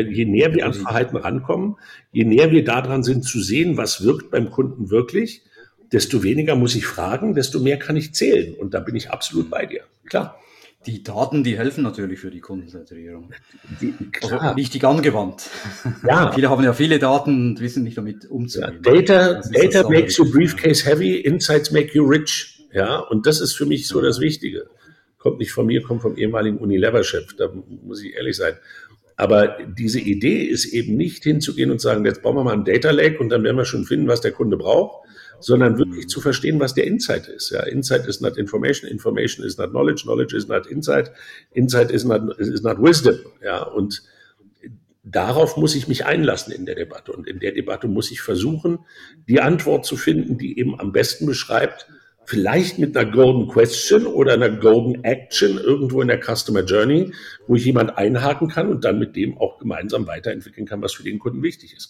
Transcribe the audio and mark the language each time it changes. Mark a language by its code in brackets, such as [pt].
[de] Je näher wir an Verhalten rankommen, je näher wir daran sind zu sehen, was wirkt beim Kunden wirklich, desto weniger muss ich fragen, desto mehr kann ich zählen. Und da bin ich absolut bei dir. Klar. Die Daten, die helfen natürlich für die Kundenzentrierung. Also richtig angewandt. Ja. Viele haben ja viele Daten und wissen nicht, damit umzugehen. [en] Ja, Data makes your briefcase heavy, insights make you rich. [de] Ja, und das ist für mich so das Wichtige. Kommt nicht von mir, kommt vom ehemaligen Unilever-Chef, da muss ich ehrlich sein. Aber diese Idee ist eben nicht hinzugehen und sagen, jetzt bauen wir mal ein Data Lake und dann werden wir schon finden, was der Kunde braucht, sondern wirklich zu verstehen, was der Insight ist. [en] Ja, Insight is not information, information is not knowledge, knowledge is not insight, insight is not wisdom. [de] Ja, und darauf muss ich mich einlassen in der Debatte. Und in der Debatte muss ich versuchen, die Antwort zu finden, die eben am besten beschreibt, vielleicht mit einer Golden Question oder einer Golden Action irgendwo in der Customer Journey, wo ich jemand einhaken kann und dann mit dem auch gemeinsam weiterentwickeln kann, was für den Kunden wichtig ist.